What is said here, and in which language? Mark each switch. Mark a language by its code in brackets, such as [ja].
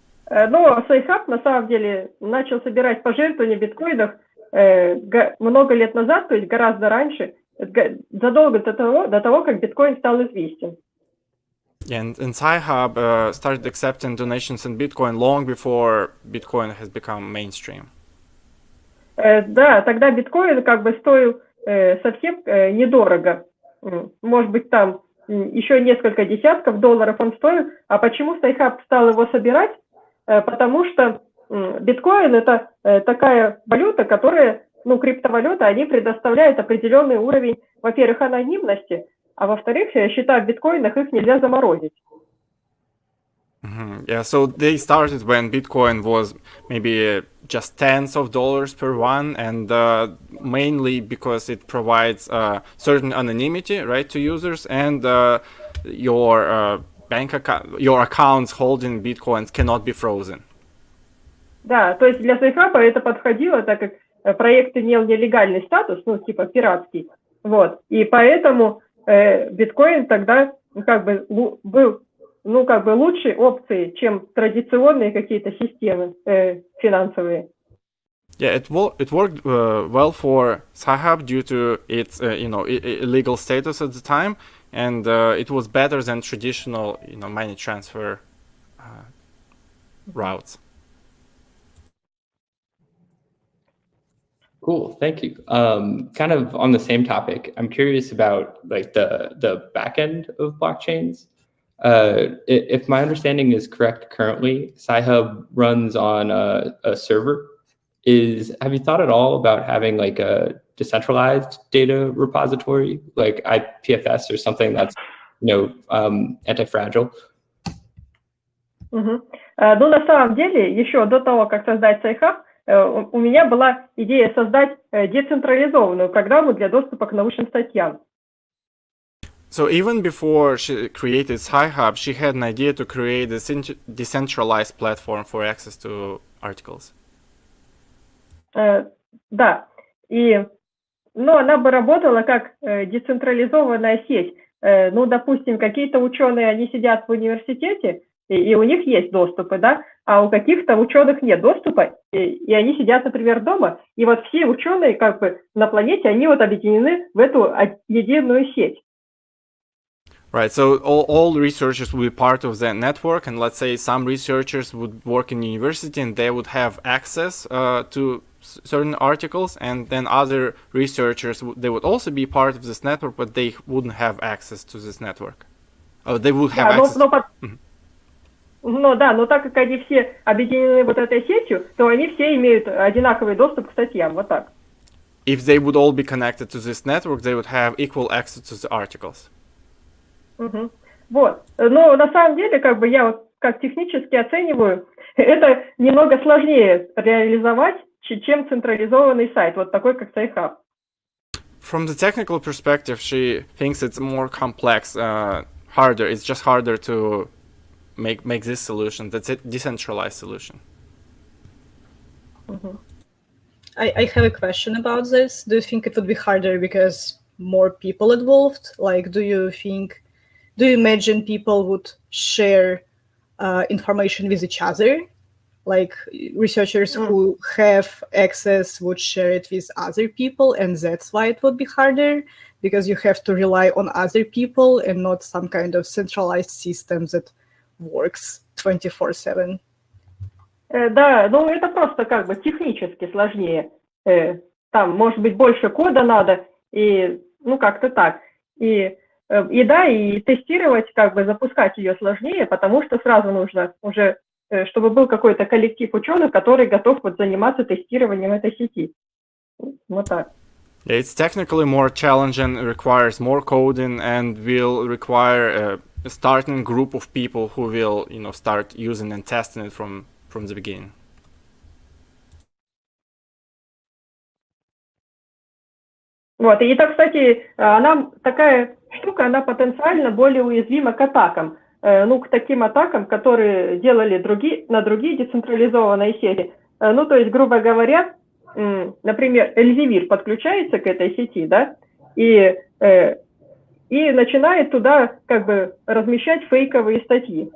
[ru] Ну, Sci-Hub на самом деле начал собирать пожертвования биткоинов много лет назад, то есть гораздо раньше, задолго до того, как биткоин стал известен. [en] And Sci-Hub started accepting donations in Bitcoin long before Bitcoin has become mainstream. [ru] Да, тогда биткоин как бы стоил совсем недорого. Может быть, там еще несколько десятков долларов он стоил. А почему Sci-Hub стал его собирать? Потому что биткоин – это такая валюта, которая, ну, криптовалюта, они предоставляют определенный уровень, во-первых, анонимности, а во-вторых, счета в биткоинах, их нельзя заморозить. [en] Yeah, so they started when Bitcoin was maybe just tens of dollars per one, and mainly because it provides certain anonymity, right, to users, and your bank account, your accounts holding bitcoins cannot be frozen. [ru] Да, то есть для Sci-Hub это подходило, так как проект имел нелегальный статус, ну, типа пиратский, вот, и поэтому биткоин тогда как бы был, ну, как бы лучшей опцией, чем традиционные какие-то системы финансовые. [en] Yeah, it worked well for Sci-Hub due to its, you know, illegal status at the time. And it was better than traditional, you know, money transfer routes. Cool, thank you. Kind of on the same topic, I'm curious about like the back end of blockchains. If my understanding is correct, currently Sci-Hub runs on a server. Have you thought at all about having like a decentralized data repository, like IPFS or something that's, you know, anti-fragile? [ru] Ну, на самом деле, еще до того, как создать Sci-Hub, у меня была идея создать децентрализованную программу для доступа к научным статьям. [en] So even before she created Sci-Hub, she had an idea to create a decentralized platform for access to articles. [ru] Да, и, но она бы работала как децентрализованная сеть. Ну, допустим, какие-то ученые, они сидят в университете, и у них есть доступы, да, а у каких-то ученых нет доступа, и они сидят, например, дома, и вот все ученые как бы на планете, они вот объединены в эту единую сеть. [en] Right, so all researchers would be part of that network, and let's say some researchers would work in university and they would have access to certain articles, and then other researchers, they would also be part of this network, but they wouldn't have access to this network. They would have [ru] Ну да, но так как они все объединены вот этой сетью, то они все имеют одинаковый доступ к статьям, вот так. [en] If they would all be connected to this network, they would have equal access to the articles. [ru] Угу. Вот. Но на самом деле, как бы я вот как технически оцениваю, это немного сложнее реализовать, чем централизованный сайт, вот такой как Sci-Hub. [en] From the technical perspective, she thinks it's more complex, harder. It's just harder to make this solution, that's a decentralized solution. Mm-hmm. I have a question about this. Do you think it would be harder because more people involved? Like, do you imagine people would share information with each other? Like, researchers who have access would share it with other people, and that's why it would be harder? Because you have to rely on other people and not some kind of centralized system that works 24/7. [ru] Да, ну это просто как бы технически сложнее. Там, может быть, больше кода надо, и, ну, как-то так. И да, и тестировать, как бы запускать ее сложнее, потому что сразу нужно уже, чтобы был какой-то коллектив ученых, который готов вот заниматься тестированием этой сети. Вот так. [en] Yeah, it's technically more challenging, requires more coding, and will require a starting group of people who will, you know, start using and testing it from the beginning. [ru] Вот, и так, кстати, она такая штука, она потенциально более уязвима к атакам. Ну, к таким атакам, которые делали другие на другие децентрализованные сети. Ну, то есть, грубо говоря, например, Эльзевир подключается к этой сети, да, и начинает туда как бы размещать фейковые статьи.